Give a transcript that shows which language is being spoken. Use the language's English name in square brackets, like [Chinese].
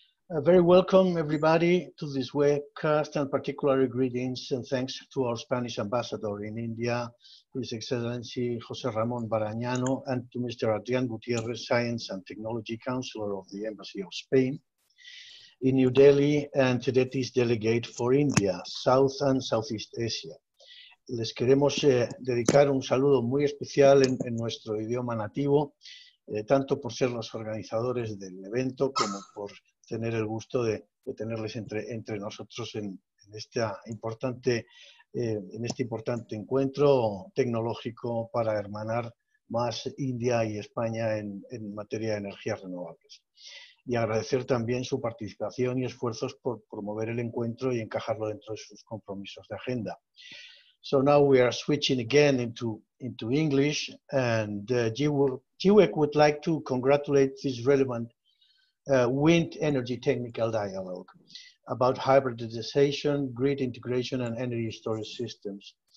[English] Very welcome, everybody, to this webcast, and particularly greetings and thanks to our Spanish ambassador in India, His Excellency José Ramón Barañano, and to Mr. Adrián Gutiérrez, Science and Technology Counselor of the Embassy of Spain in New Delhi, and TEDETI's delegate for India, South and Southeast Asia. [Spanish] Les queremos dedicar un saludo muy especial en nuestro idioma nativo, tanto por ser los organizadores del evento como por tener el gusto de tenerles entre nosotros en este importante encuentro tecnológico para hermanar más India y España en materia de energías renovables. Y agradecer también su participación y esfuerzos por promover el encuentro y encajarlo dentro de sus compromisos de agenda. [English] So now we are switching again into English, and GWEC would like to congratulate this relevant wind energy technical dialogue about hybridization, grid integration, and energy storage systems.